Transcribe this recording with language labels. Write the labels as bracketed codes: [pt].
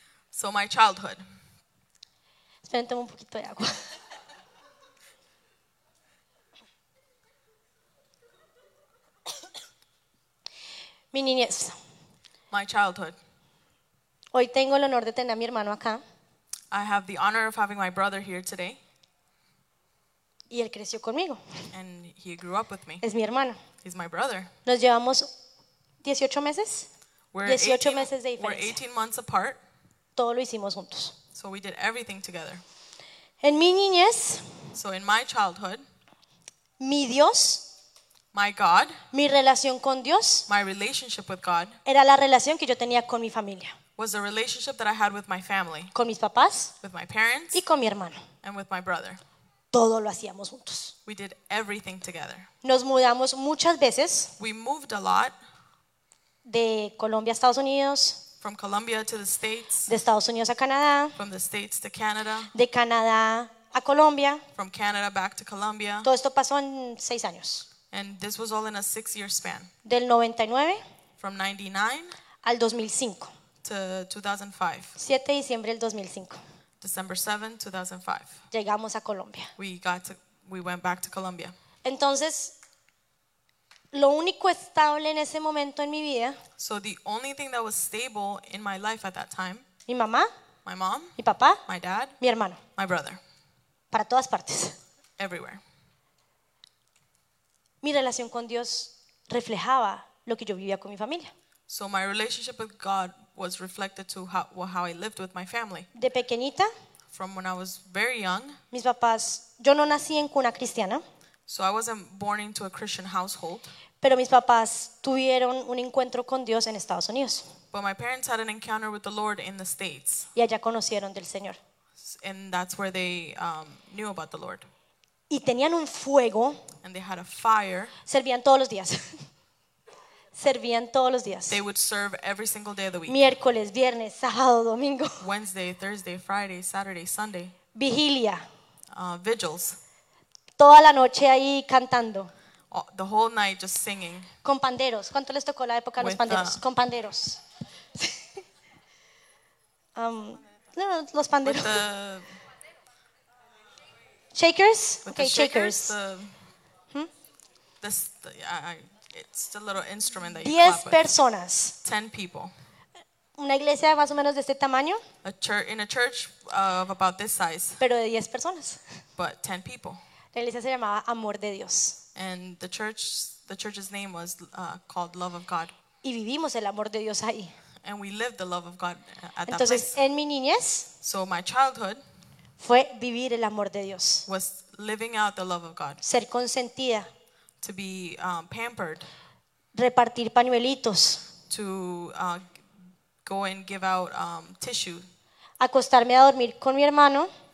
[en] So my childhood. [es] Esperen, tomo un poquito de agua. Mi niñez. [en] My childhood. [es] Hoy tengo el honor de tener a mi hermano acá. [en] I have the honor of having my brother here today. [es] Y él creció conmigo. [en] And he grew up with me. [es] Es mi hermano. [en] He's my brother. [es] Nos llevamos 18 meses. [en] We're [es] 18, 18 meses de diferencia. [en] We're 18 months apart. [es] Todo lo hicimos juntos. [en] So we did everything together. [es] En mi niñez, [en] so in my childhood, [es] mi Dios, [en] my God, [es] mi relación con Dios, [en] my relationship with God, [es] era la relación que yo tenía con mi familia. [en] Was the relationship that I had with my family. [es] Con mis papás, [en] with my parents, [es] y con mi hermano. [en] And with my brother. [es] Todo lo hacíamos juntos. [en] We did everything together. [es] Nos mudamos muchas veces. [en] We moved a lot. [es] De Colombia a Estados Unidos. [en] From Colombia to the States. [es] De Estados Unidos a Canadá. [en] From the States to Canada. [es] De Canadá a Colombia. [en] From Canada back to Colombia. [es] Todo esto pasó en 6 años. [en] And this was all in a 6-year span. [es] Del 99. [en] From 99. [es] Al 2005. [en] To 2005. [es] 7 de diciembre del 2005. [en] December 7, 2005. [es] Llegamos a Colombia. [en] We went back to Colombia. [es] Entonces, lo único estable en ese momento en mi vida. [en] So the only thing that was stable in my life at that time. [es] Mi mamá. [en] My mom. [es] Mi papá. [en] My dad. [es] Mi hermano. [en] My brother. [es] Para todas partes. [en] Everywhere. [es] Mi relación con Dios reflejaba lo que yo vivía con mi familia. [en] So my relationship with God was reflected to how I lived with my family. [es] De pequeñita. [en] From when I was very young. [es] Mis papás, yo no nací en cuna cristiana. [en] So I wasn't born into a Christian household. [es] Pero mis papás tuvieron un encuentro con Dios en Estados Unidos. [en] But my parents had an encounter with the Lord in the States. [es] Y allá conocieron del Señor. [en] And that's where they knew about the Lord. [es] Y tenían un fuego. [en] And they had a fire. [es] Servían todos los días. Servían todos los días. [en] They would serve every single day of the week. [es] Miércoles, viernes, sábado, domingo. [en] Wednesday, Thursday, Friday, Saturday, Sunday. [es] Vigilia. [en] Vigils. [es] Toda la noche ahí cantando. [en] The whole night just singing. [es] Con panderos. ¿Cuánto les tocó la época de los panderos? Con panderos. los panderos. [en] Shakers? Okay, shakers. It's a little instrument that you 10 clap with. [es] Personas. [en] 10 people. [es] Una iglesia más o menos de este tamaño. [en] In a church of about this size. [es] Pero de 10 personas. [en] But 10 people. [es] La iglesia se llamaba Amor de Dios. [en] And the church's name was called Love of God. [es] Y vivimos el amor de Dios ahí. [en] And we lived the love of God at [es] Entonces, [en] that place. [es] En mi niñez. [en] So my childhood. [es] Fue vivir el amor de Dios. [en] Was living out the love of God. [es] Ser consentida. [en] To be pampered. [es] Repartir pañuelitos. [en] To go and give out tissue. [es] Acostarme a dormir con mi hermano.